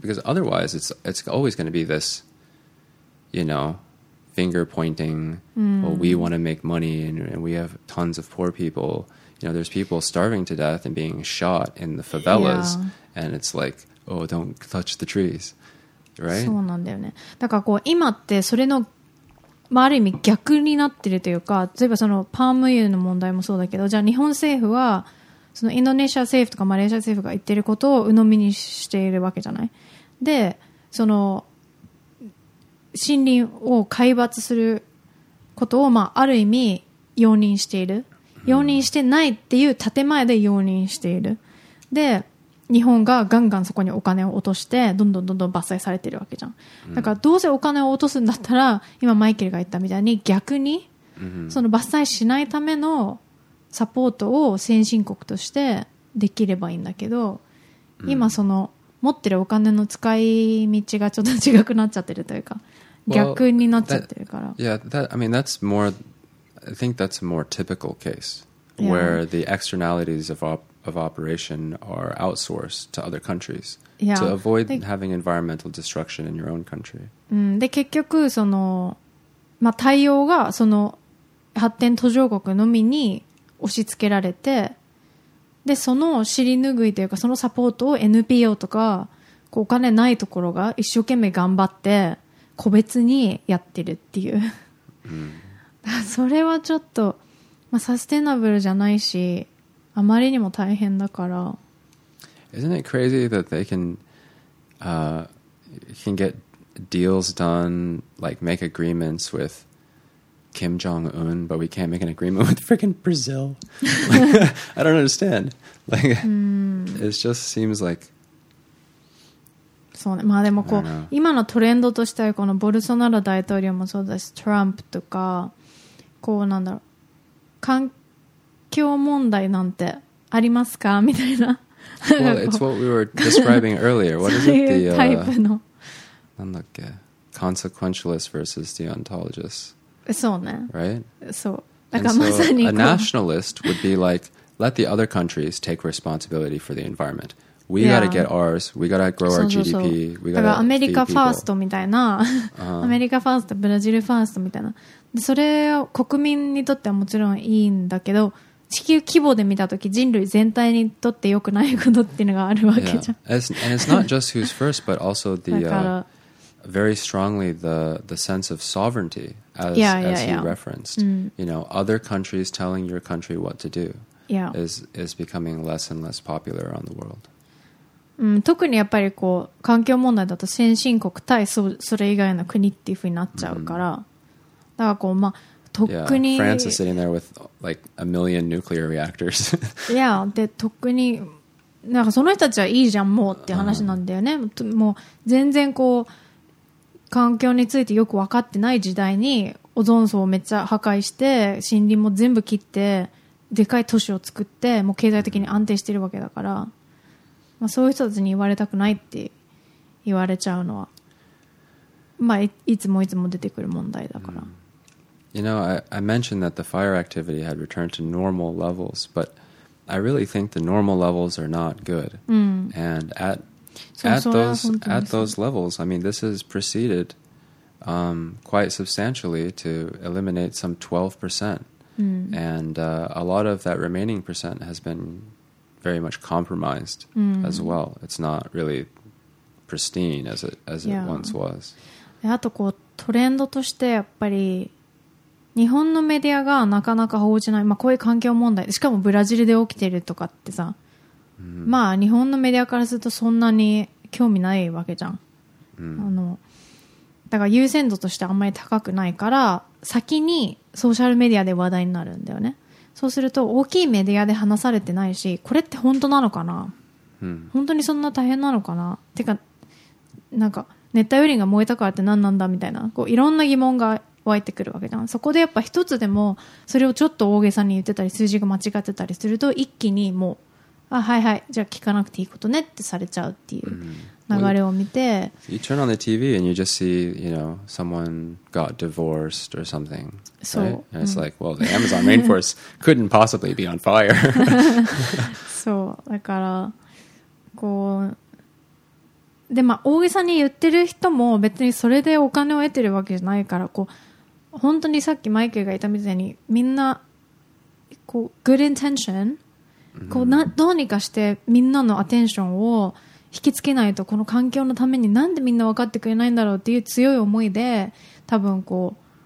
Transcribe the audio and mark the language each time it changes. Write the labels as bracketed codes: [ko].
[en] Because otherwise, it's always going to be this, you know, finger pointing. Well, we want to make money, and we have tons of poor people. You know, there's people starving to death and being shot in the favelas, yeah. And it's like, oh, don't touch the trees, right? [ja] そうなんだよね。だからこう今ってそれのまあ、ある意味逆になってるというか、例えばそのパーム油の問題もそうだけど、じゃあ日本政府はそのインドネシア政府とかマレーシア政府が言ってることを鵜呑みにしているわけじゃない。でその森林を皆伐することを、まあ、ある意味容認している、容認してないっていう建前で容認している。で日本がガンガンそこにお金を落としてどんどんどんどん伐採されてるわけじゃん。だからどうせお金を落とすんだったら、今マイケルが言ったみたいに逆にその伐採しないためのサポートを先進国としてできればいいんだけど、今その持ってるお金の使い道がちょっと違くなっちゃってるというか、逆になっちゃってるから。 [en] Well, that, yeah, that, I mean, that's more, I think that's a more typical case where the externalities of operation are outsourced to other countries to avoid having environmental destruction in your own country. [ja] で、結局その、まあ、対応がその発展途上国のみに押し付けられて、で、その尻拭いというかそのサポートを NPO とかこうお金ないところが一生懸命頑張って個別にやってるっていう、うん、それはちょっと、まあ、サステナブルじゃないしあまりにも大変だから。 [en] Isn't it crazy that they can, can get deals done, like make agreements with Kim Jong-un, but we can't make an agreement with freaking Brazil? I don't understand. Like, it just seems like... [ja] そうね、まあでもこう今のトレンドとしてはこのボルソナロ大統領もそうだし、トランプとかこうなんだろう、環境問題なんてありますかみたいな。 [en] Well, it's what we were describing earlier. What is it? The [ja] タイプの、なんだっけ、 [en] consequentialist versus deontologist. [ja] そうね。 [en] Right. [ja] そう。だからまさに [en] a nationalist would be like, let the other countries take responsibility for the environment. We gotta get ours. We gotta grow our GDP. We gotta feed people. [ja] だからアメリカファーストみたいな、アメリカファースト、ブラジルファーストみたいな。で、それを国民にとってはもちろんいいんだけど、地球規模で見たとき、人類全体にとって良くないことっていうのがあるわけじゃん。 [en] Yeah. And it's not just who's first, but also the, very strongly the sense of sovereignty as, you referenced. You know, other countries telling your country what to do is becoming less and less popular around the world. [ja] うん、特にやっぱりこう環境問題だと先進国対 それ以外の国っていう風になっちゃうから、mm-hmm. だからこうまあとっくに、 [en] yeah. France is sitting there with like a million nuclear reactors. [ja] yeah, でとっくになんかその人たちはいいじゃんもうっていう話なんだよね、uh-huh. もう全然こう環境についてよく分かってない時代にオゾン層をめっちゃ破壊して森林も全部切ってでかい都市を作ってもう経済的に安定してるわけだから、まあ、そういう人たちに言われたくないって言われちゃうのは、まあ、いつもいつも出てくる問題だから。 Mm. [en] You know, I mentioned that the fire activity had returned to normal levels, but I really think the normal levels are not good. Mm. And at those levels, I mean, this has proceeded, quite substantially to eliminate some 12%. Mm. And, a lot of that remaining percent has beenvery much compromised as well. It's not really pristine as it once was. [ja] あとこうトレンドとしてやっぱり日本のメディアがなかなか報じない、まあ、こういう環境問題しかもブラジルで起きてるとかってさ、 mm-hmm. まあ日本のメディアからするとそんなに興味ないわけじゃん、 mm-hmm. あのだから優先度としてあんまり高くないから先にソーシャルメディアで話題になるんだよね。そうすると大きいメディアで話されてないし、これって本当なのかな、 hmm. 本当にそんな大変なのかな、てかなんか熱帯雨林が燃えたからって何なんだみたいな、こういろんな疑問が湧いてくるわけじゃん。そこでやっぱ一つでもそれをちょっと大げさに言ってたり数字が間違ってたりすると一気にもうあはいはいじゃあ聞かなくていいことねってされちゃうっていう流れを見て、 [en] You turn on the TV and you just see, you know, someone got divorced or something. So, right? And it's like, well, the Amazon rainforest couldn't possibly be on fire. [ja] そうだからこうで、まあ大げさに言ってる人も別にそれでお金を得てるわけじゃないから、こう本当にさっきマイケルが言ったみたいにみんなこう [en] good intention、 [ja] こうなどうにかしてみんなのアテンションを引きつけないと、この環境のためになんでみんな分かってくれないんだろうっていう強い思いで多分こう、